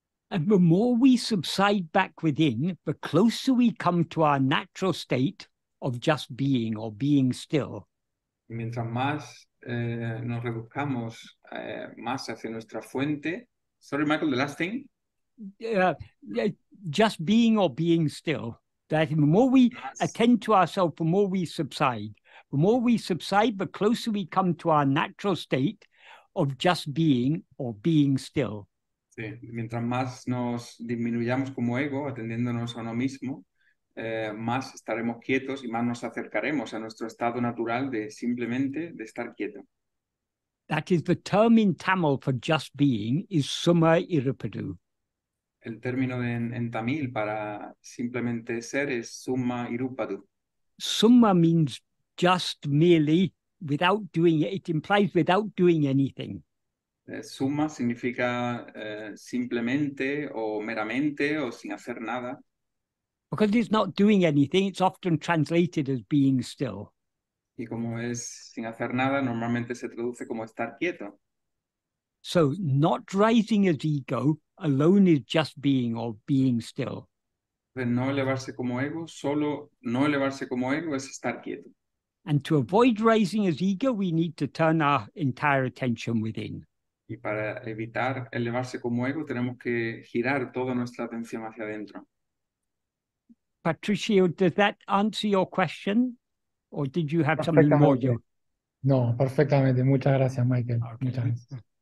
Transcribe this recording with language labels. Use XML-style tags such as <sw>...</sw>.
<en>And the more we subside back within, the closer we come to our natural state of just being or being still.</en> <es>Y mientras más nos reduzcamos más hacia nuestra fuente.</es> <en>Sorry, Michael, the last thing. Just being or being still. That the more we attend to ourselves, the more we subside. The more we subside, the closer we come to our natural state of just being or being still.</en> <es>Sí, mientras más nos disminuyamos como ego, atendiéndonos a uno mismo, más estaremos quietos y más nos acercaremos a nuestro estado natural de simplemente de estar quieto.</es> <en>That is the term in Tamil for just being is summa irupadu.</en> <es>El término en tamil para simplemente ser es summa irupadu.</es> <en>Summa means just merely without doing it. It implies without doing anything.</en> <es>Summa significa simplemente o meramente o sin hacer nada.</es> <en>Because it's not doing anything, it's often translated as being still.</en> <es>Y como es sin hacer nada, normalmente se traduce como estar quieto.</es> <en>So not rising as ego alone is just being or being still.</en> <es>No elevarse como ego, solo no elevarse como ego es estar quieto.</es> <en>And to avoid rising as ego, we need to turn our entire attention within.</en> <es>Y para evitar elevarse como ego, tenemos que girar toda nuestra atención hacia adentro.</es> <en>Patricio, does that answer your question? Or did you have something more?</en> <es>No, perfectamente. Muchas gracias, Michael. Okay. Muchas gracias.</es>